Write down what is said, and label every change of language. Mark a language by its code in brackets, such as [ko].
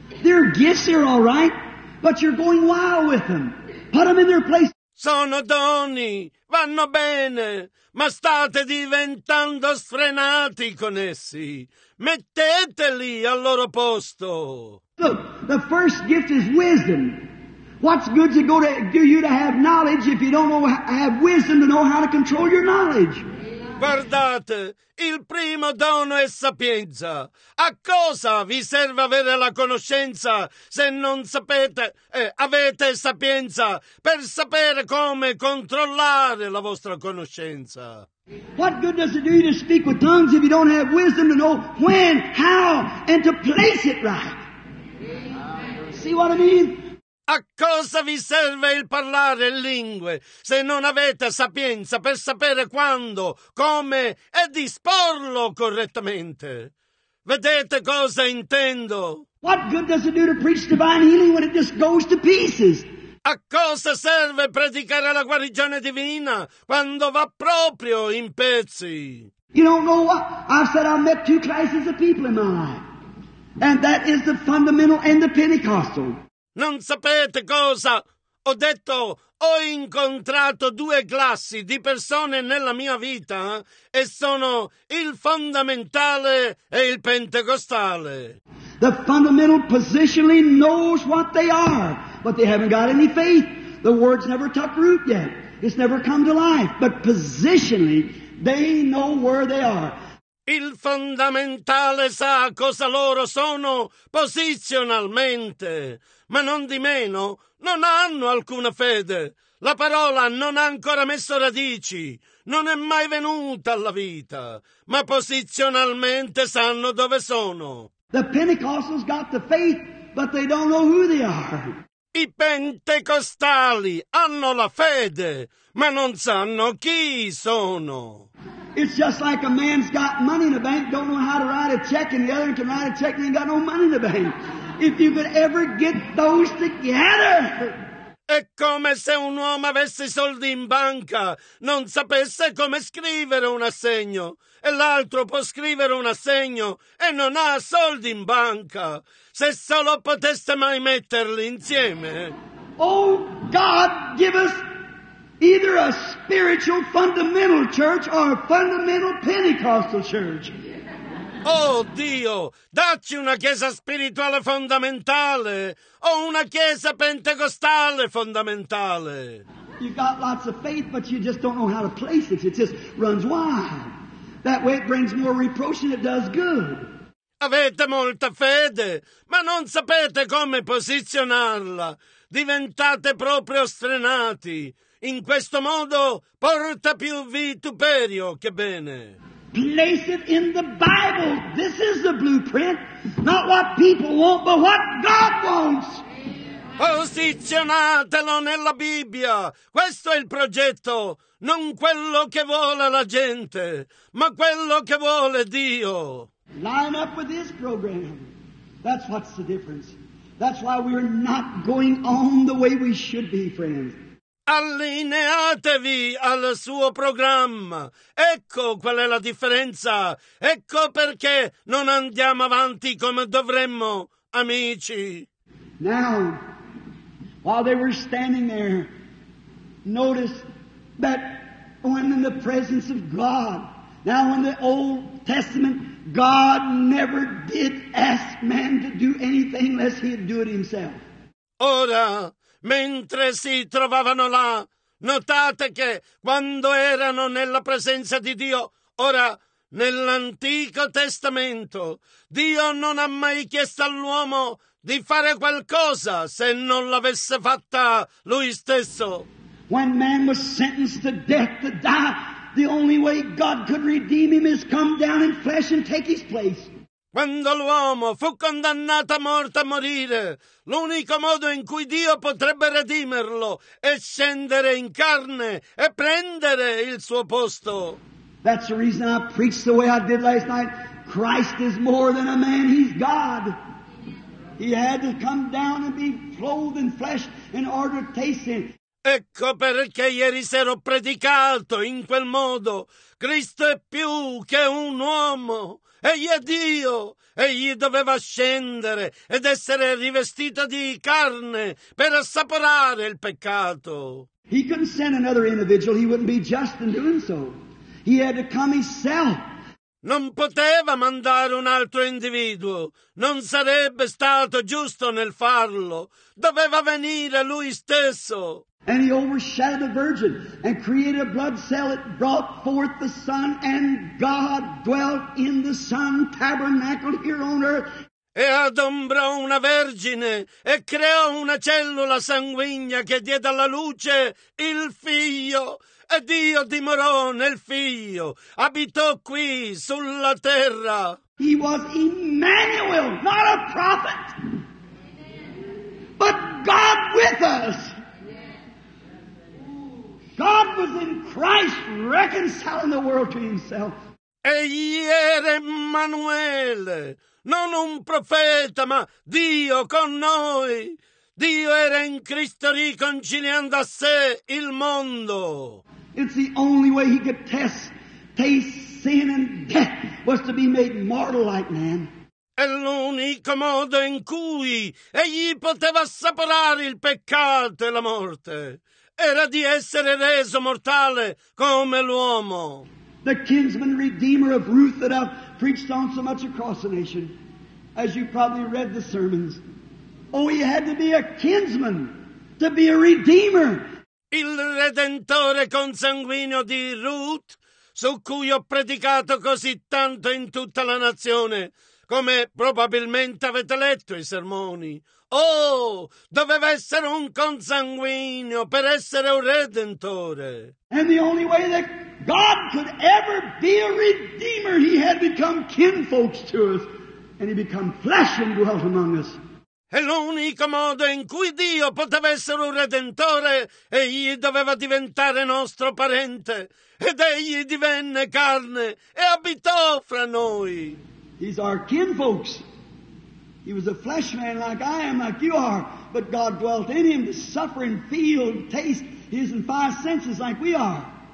[en] Their gifts are all right, but you're going wild with them. Put them in their place. [it] Sono doni, vanno bene, ma state diventando sfrenati con essi. Metteteli al loro posto. [en] Look, the first gift is wisdom. What's good to go to you to have knowledge if you don't know, have wisdom to know how to control your knowledge? [it] Guardate, il primo dono è sapienza. A cosa vi serve avere la conoscenza se non sapete, avete sapienza per sapere come controllare la vostra conoscenza? [en] What good does it do you to speak with tongues if you don't have wisdom to know when, how, and to place it right? See what I mean? [it] A cosa vi serve il parlare lingue se non avete sapienza per sapere quando, come e disporlo correttamente? Vedete cosa intendo? [en] What good does it do to preach divine healing when it just goes to pieces? [it] A cosa serve predicare la guarigione divina quando va proprio in pezzi? [en] You don't know what? I've said I've met two classes of people in my life. And that is the fundamental and the Pentecostal. [it] Non sapete cosa? Ho detto, ho incontrato due classi di persone nella mia vita e sono il fondamentale e il pentecostale. [en] The fundamental positionally knows what they are, but they haven't got any faith. The word's never took root yet. It's never come to life. But positionally, they know where they are. [it] Il fondamentale sa cosa loro sono posizionalmente, ma non di meno non hanno alcuna fede. La parola non ha ancora messo radici, non è mai venuta alla vita, ma posizionalmente sanno dove sono. [en] The Pentecostals got the faith, but they don't know who they are. [it] I pentecostali hanno la fede, ma non sanno chi sono. [en] It's just like a man's got money in the bank, don't know how to write a check, and the other can write a check and ain't got no money in the bank. If you could ever get those together! [it] È come se un uomo avesse i soldi in banca, non sapesse come scrivere un assegno, e l'altro può scrivere un assegno e non ha soldi in banca. Se solo poteste mai metterli insieme. [en] Oh, God, give us either a spiritual fundamental church or a fundamental Pentecostal church. [it] Oh Dio, dacci una chiesa spirituale fondamentale o una chiesa pentecostale fondamentale. [en] You've got lots of faith, but you just don't know how to place it. It just runs wild. That way it brings more reproach than it does good. [it] Avete molta fede, ma non sapete come posizionarla. Diventate proprio sfrenati. In questo modo porta più vituperio che bene. [en] Place it in the Bible. This is the blueprint. Not what people want, but what God wants. [it] Posizionatelo nella Bibbia. Questo è il progetto. Non quello che vuole la gente, ma quello che vuole Dio. [en] Line up with this program. That's what's the difference. That's why we're not going on the way we should be, friends. [it] Allineatevi al suo programma. Ecco qual è la differenza. Ecco perché non andiamo avanti come dovremmo, amici. [en] Now, while they were standing there, notice that when in the presence of God, now in the Old Testament, God never did ask man to do anything unless he'd do it himself. [it] Ora, mentre si trovavano là, notate che quando erano nella presenza di Dio, ora nell'Antico Testamento, Dio non ha mai chiesto all'uomo di fare qualcosa se non l'avesse fatta lui stesso. [en] When man was sentenced to death to die, the only way God could redeem him is come down in flesh and take his place. [it] Quando l'uomo fu condannato a morte a morire, l'unico modo in cui Dio potrebbe redimerlo è scendere in carne e prendere il suo posto. [en] That's the reason I preached the way I did last night. Christ is more than a man, he's God. He had to come down and be clothed in flesh in order to taste it. [it] Ecco perché ieri sera ho predicato in quel modo. Cristo è più che un uomo. Egli è Dio, egli doveva scendere ed essere rivestito di carne per assaporare il peccato. [en] He couldn't send another individual, he wouldn't be just in doing so. He had to come himself. [it] Non poteva mandare un altro individuo, non sarebbe stato giusto nel farlo. Doveva venire lui stesso. [en] And he overshadowed the virgin and created a blood cell that brought forth the Son, and God dwelt in the Son tabernacle here on earth. [it] E adombrò una vergine e creò una cellula sanguigna che diede alla luce il Figlio. E Dio dimorò nel Figlio, abitò qui sulla terra. [en] He was Emmanuel, not a prophet. God with us. God was in Christ reconciling the world to himself. [it] Egli era Emanuele, non un profeta, ma Dio con noi. Dio era in Cristo riconciliando a sé il mondo. [en] It's the only way he could taste sin and death was to be made mortal like man. [it] È l'unico modo in cui egli poteva assaporare il peccato e la morte. Era di essere reso mortale come l'uomo. [en] The kinsman redeemer of Ruth that I've preached on so much across the nation, as you probably read the sermons. Oh, he had to be a kinsman to be a redeemer. [it] Il redentore consanguineo di Ruth, su cui ho predicato così tanto in tutta la nazione, come probabilmente avete letto i sermoni. Oh, doveva essere un consanguineo per essere un redentore. [en] And the only way that God could ever be a redeemer, he had become kinfolks to us, and he became flesh and dwelt among us. [it] E l'unico modo in cui Dio poteva essere un redentore, egli doveva diventare nostro parente, ed egli divenne carne e abitò fra noi. [en] He's our kinfolks. He was a flesh man like I am, like you are, but God dwelt in him to suffer and feel and taste his and five senses like we are.